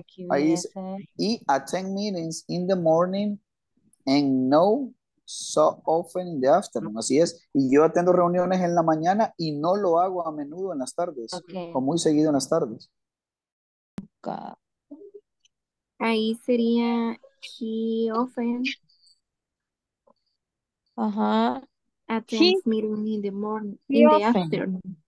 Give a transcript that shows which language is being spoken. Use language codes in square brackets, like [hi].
[es] Ahí dice, [en] he attend meetings in the morning and no so often in the afternoon. [es] Así es. Y yo atiendo reuniones en la mañana y no lo hago a menudo en las tardes. [en] Okay. [es] O muy seguido en las tardes. Ahí sería [en] he often attends meetings in the morning in the afternoon.